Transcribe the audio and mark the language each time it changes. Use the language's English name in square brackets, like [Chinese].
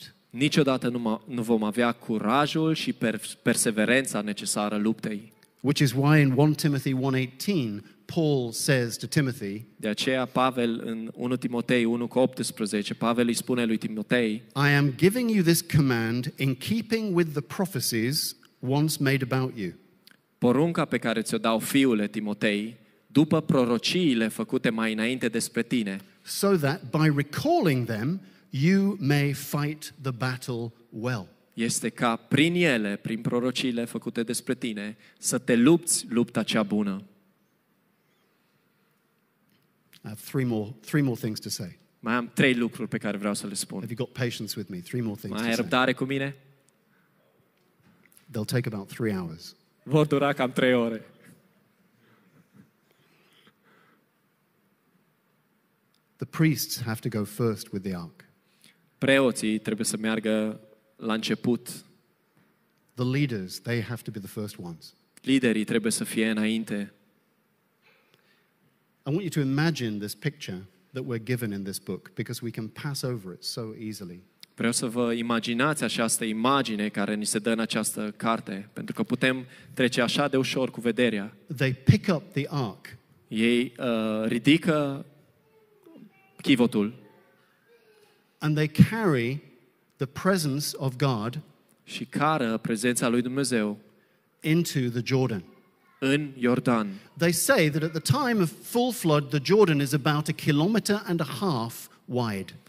[Romanian] Niciodată nu vom avea curajul și perseverența necesară luptei. [English] Which is why in 1 Timothy 1:18 Paul says to Timothy, [Romanian] de aceea Pavel în 1 Timotei 1:18 Pavel îi spune lui Timotei, [English] I am giving you this command in keeping with the prophecies once made about you. [Romanian] Porunca pe care ți-o dau, fiule Timotei, după prorociile făcute mai înainte despre tine, [English] so that by recalling them you may fight the battle well. [Romanian] Este ca prin ele, prin prorociile făcute despre tine, să te lupți lupta cea bună. [English] I have three more things to say. [Romanian] Mai am trei lucruri pe care vreau să le spun. [English] Have you got patience with me? Three more things. [Romanian] Mai ai răbdare cu mine? [English] They'll take about 3 hours. [Romanian] Vor dura cam 3 ore. [English] The priests have to go first with the ark. [Romanian] Preoții trebuie să meargă la început. [English] The leaders, they have to be the first ones. [Romanian] Liderii trebuie să fie înainte. [English] I want you to imagine this picture that we're given in this book, because we can pass over it so easily. [Romanian] Vreau să vă imaginați această imagine care ni se dă în această carte, pentru că putem trece așa de ușor cu vederea. [English] They pick up the ark. [Romanian] Ei ridică chivotul. [English] And they carry the presence of God, [Romanian] și cară prezența lui Dumnezeu, [English] into the Jordan, [Romanian] în Iordan. [English] They say that at the time of full flood, the Jordan is about 1.5 kilometers wide.